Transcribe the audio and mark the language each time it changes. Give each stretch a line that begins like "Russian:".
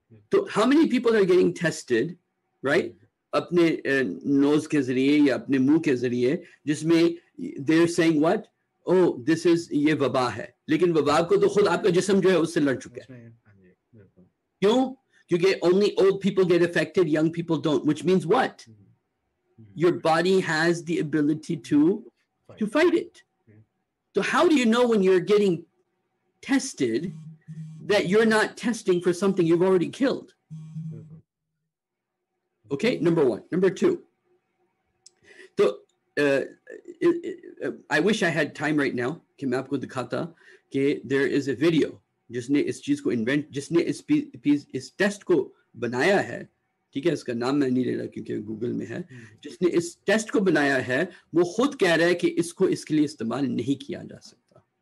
Urdu: تو
English: how many people are getting tested, right,
Urdu: اپنے نوز کے ذریعے یا اپنے منہ کے ذریعے, جس میں
English: they are seeing what, oh this is,
Urdu: یہ وبا ہے. لیکن وبا کو تو خود آپ کا جسم جو ہے اس سے لڑ چکا ہے. کیوں؟ کیونکہ
English: Only old people get affected, young people don't, which means what, your body has the ability to fight it. So how do you know when you're getting tested that you're not testing for something you've already killed? Okay, number one. Number two, so I wish I had time right now
Urdu: ki main aapko dikhata ke
English: there is a video
Urdu: jisne is cheez ko invent, jisne is test ko banaya hai, ٹھیک ہے, اس کا نام میں نہیں لے رہا کیونکہ Google میں ہے, جس نے اس ٹیسٹ کو بنایا ہے وہ خود کہہ رہا ہے کہ اس کو اس کے لیے استعمال نہیں کیا جا سکتا,